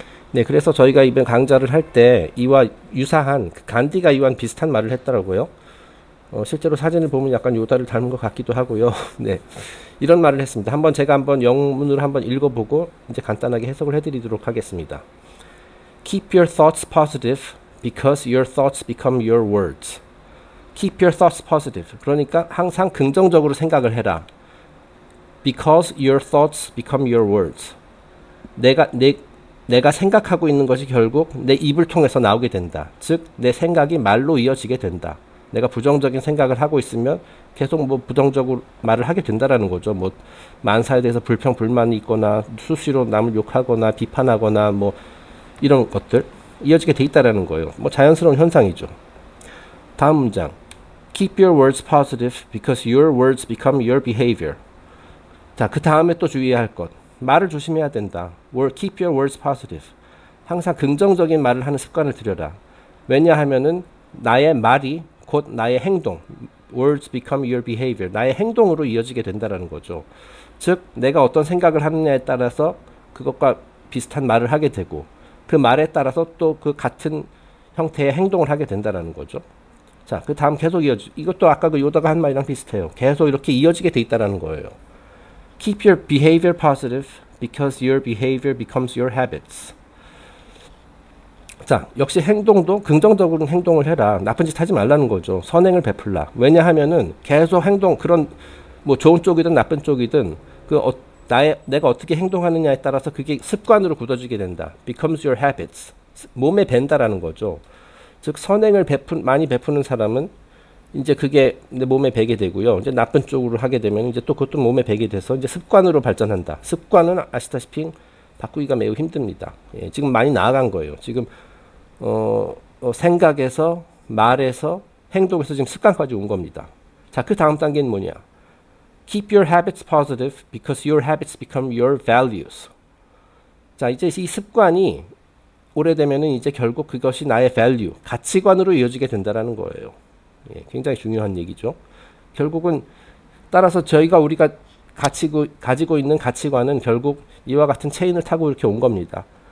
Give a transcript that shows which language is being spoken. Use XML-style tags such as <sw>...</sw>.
<ko>네, 그래서 저희가 이번 강좌를 할때 이와 유사한, 간디가 이와 비슷한 말을 했더라고요. 실제로 사진을 보면 약간 요다를 닮은 것 같기도 하고요. 네. 이런 말을 했습니다. 한번 제가 한번 영문으로 한번 읽어보고 이제 간단하게 해석을 해드리도록 하겠습니다.</ko> <en>Keep your thoughts positive because your thoughts become your words. Keep your thoughts positive.</en> <ko>그러니까 항상 긍정적으로 생각을 해라.</ko> <en>Because your thoughts become your words.</en> <ko>내가 생각하고 있는 것이 결국 내 입을 통해서 나오게 된다. 즉, 내 생각이 말로 이어지게 된다. 내가 부정적인 생각을 하고 있으면 계속 뭐 부정적으로 말을 하게 된다라는 거죠. 뭐 만사에 대해서 불평불만이 있거나 수시로 남을 욕하거나 비판하거나 뭐 이런 것들 이어지게 돼 있다라는 거예요. 뭐 자연스러운 현상이죠. 다음 문장.</ko> <en>Keep your words positive because your words become your behavior.</en> <ko>자, 그 다음에 또 주의해야 할 것. 말을 조심해야 된다.</ko> <en>Keep your words positive.</en> <ko>항상 긍정적인 말을 하는 습관을 들여라. 왜냐하면은 나의 말이 곧 나의 행동,</ko> <en>words become your behavior,</en> <ko>나의 행동으로 이어지게 된다라는 거죠. 즉, 내가 어떤 생각을 하느냐에 따라서 그것과 비슷한 말을 하게 되고, 그 말에 따라서 또그 같은 형태의 행동을 하게 된다라는 거죠. 자, 그 다음 계속 이어지. 이것도 아까 그 요다가 한 말이랑 비슷해요. 계속 이렇게 이어지게 돼 있다라는 거예요.</ko> <en>Keep your behavior positive because your behavior becomes your habits.</en> <ko>자, 역시 행동도 긍정적인 행동을 해라. 나쁜 짓 하지 말라는 거죠. 선행을 베풀라. 왜냐하면은 계속 행동, 그런 뭐 좋은 쪽이든 나쁜 쪽이든 내가 어떻게 행동하느냐에 따라서 그게 습관으로 굳어지게 된다.</ko> <en>becomes your habits.</en> <ko>몸에 밴다라는 거죠. 즉, 선행을 많이 베푸는 사람은 이제 그게 내 몸에 배게 되고요. 이제 나쁜 쪽으로 하게 되면 이제 또 그것도 몸에 배게 돼서 이제 습관으로 발전한다. 습관은 아시다시피 바꾸기가 매우 힘듭니다. 예, 지금 많이 나아간 거예요. 지금, 생각에서, 말에서, 행동에서 지금 습관까지 온 겁니다. 자, 그 다음 단계는 뭐냐?</ko> <en>Keep your habits positive because your habits become your values.</en> <ko>자, 이제 이 습관이 오래되면은 이제 결국 그것이 나의 value, 가치관으로 이어지게 된다라는 거예요. 예, 굉장히 중요한 얘기죠. 결국은 따라서 저희가 우리가 가지고 있는 가치관은 결국 이와 같은 체인을 타고 이렇게 온 겁니다.</ko>